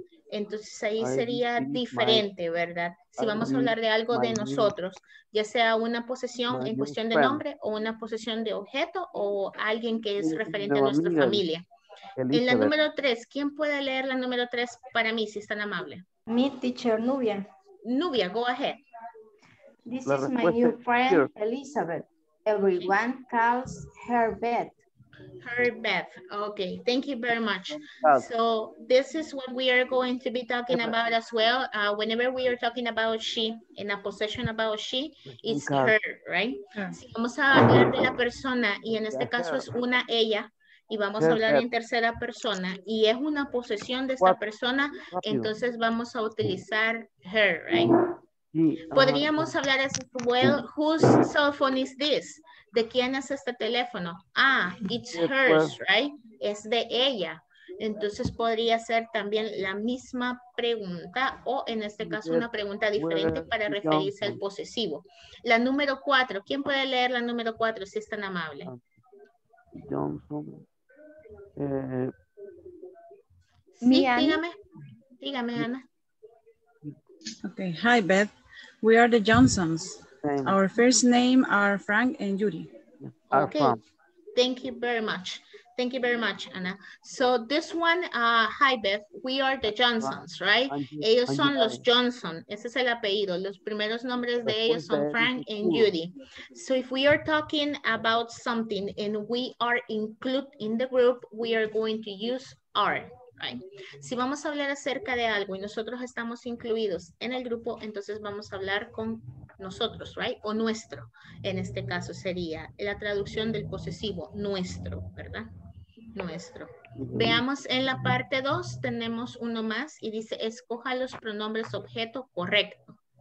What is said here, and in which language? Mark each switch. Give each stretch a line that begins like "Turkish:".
Spanish: Entonces ahí sería diferente, ¿verdad? Si vamos a hablar de algo de nosotros, ya sea una posesión en cuestión de nombre o una posesión de objeto o alguien que es referente a nuestra familia. En la número 3, ¿quién puede leer la número 3 para mí, si es tan amable? Mi teacher, Nubia.
English: Nubia, go ahead. This is my new friend, Elizabeth. Everyone calls her Beth. Her Beth. Okay, thank you very much. So this is what we are going to be talking about as well. Whenever we are talking about she, in a possession about she, it's her, right?
Spanish: Si vamos a hablar de la persona, y en este caso es una ella, y vamos a hablar en tercera persona, y es una posesión de esta persona, entonces vamos a utilizar her, right? Podríamos hablar así,
English: well, whose cell phone is this?
Spanish: ¿De quién es este teléfono? Ah,
English: it's hers, right?
Spanish: Es de ella. Entonces podría ser también la misma pregunta o en este caso una pregunta diferente para referirse al posesivo. La número cuatro. ¿Quién puede leer la número cuatro si es tan amable? Johnson. Sí, dígame. Dígame, Ana.
English: Okay. Hi, Beth. We are the Johnsons. Our first name are Frank and Judy. Okay, thank you very much. Thank you very much, Anna. So this one, hi Beth, we are the Johnsons, right?
Spanish: Ellos son los Johnson, ese es el apellido. Los primeros nombres de ellos son Frank and Judy.
English: So if we are talking about something and we are included in the group, we are going to use are. Right.
Spanish: Si vamos a hablar acerca de algo y nosotros estamos incluidos en el grupo, entonces vamos a hablar con nosotros, right? O nuestro, en este caso sería la traducción del posesivo, nuestro, ¿verdad? Nuestro. Veamos en la parte 2, tenemos uno más y dice, escoja los pronombres objeto correcto.